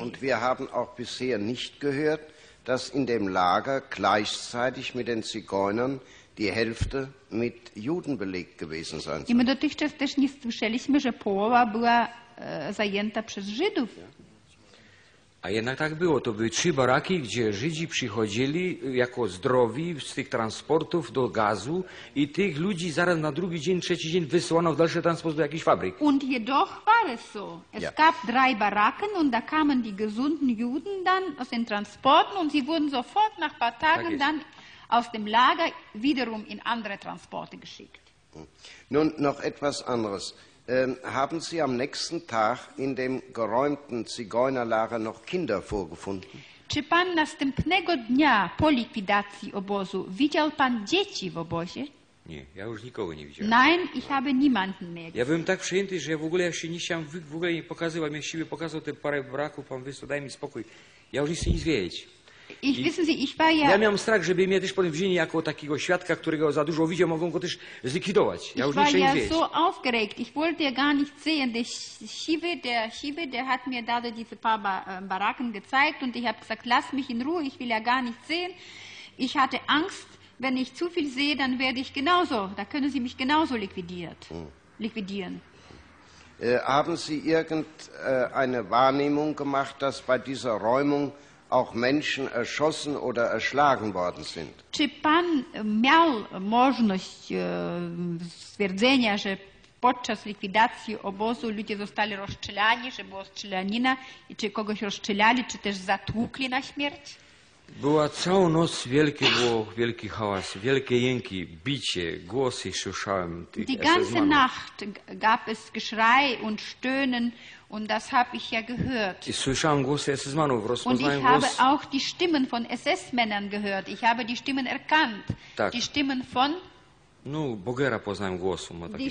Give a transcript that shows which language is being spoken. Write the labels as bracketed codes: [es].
[de] Und wir haben auch bisher nicht gehört, dass in dem Lager gleichzeitig mit den Zigeunern die Hälfte mit Juden belegt gewesen sein soll. [pl] I my dotychczas też nie słyszeliśmy, że połowa była zajęta przez Żydów. A jednak tak było. To były trzy baraki, gdzie Żydzi przychodzili jako zdrowi z tych transportów do gazu i tych ludzi zaraz na drugi dzień, trzeci dzień wysłano w dalszy transport do jakiejś fabryki. [de] Und jedoch war es so. Es gab drei Baracken und da kamen die gesunden Juden dann aus den Transporten und sie wurden sofort nach paar Tagen dann aus dem Lager wiederum in andere Transporte geschickt. Nun noch etwas anderes. Haben Sie am nächsten Tag in dem geräumten Zigeunerlager noch Kinder vorgefunden? [pl] Czy pan następnego dnia po likwidacji obozu widział pan dzieci w obozie? Nie, ja już nikogo nie widziałem. [de] Nein, ich habe niemanden mehr gesehen. [pl] Ja byłem tak przyjęty, że ja się nie chciałem w ogóle nie pokazywać. Ja siebie pokazał te parę braków, pan wysłał, daj mi spokój. Ja już nie chcę nic wiedzieć. [de] Ich, wissen Sie, ich war ja, [pl] ja miałem strach, żeby mnie też potem wzięli jako takiego świadka, którego za dużo widział, mogą go też zlikwidować. Ja już nie chciałem. [de] Ja so aufgeregt. Ich wollte ja gar nicht sehen. Der Schiebe, der hat mir da diese paar Baracken gezeigt und ich habe gesagt, lass mich in Ruhe, ich will ja gar nicht sehen. Ich hatte Angst, wenn ich zu viel sehe, dann werde ich genauso, da können Sie mich genauso likwidieren. Haben Sie irgendeine Wahrnehmung gemacht, dass bei dieser Räumung auch Menschen erschossen oder erschlagen worden sind? [pl] Czy pan miał możliwość stwierdzenia, że podczas likwidacji obozu ludzie zostali rozstrzelani, że było strzelanina i czy kogoś rozstrzelali, czy też zatłukli na śmierć? Była całą noc wielkie było, wielki hałas, wielkie jęki, bicie, głosy słyszałem. [de] Die ganze Nacht gab es Geschrei und Stöhnen und das habe ich ja gehört. [pl] I słyszałem głosy SS-manów, rozpoznałem głos. [de] Und ich habe auch die Stimmen von SS-Männern gehört. Ich habe die Stimmen erkannt. [pl] Tak. [de] Die Stimmen von? [pl] No, Bogera poznałem głosu, ma taki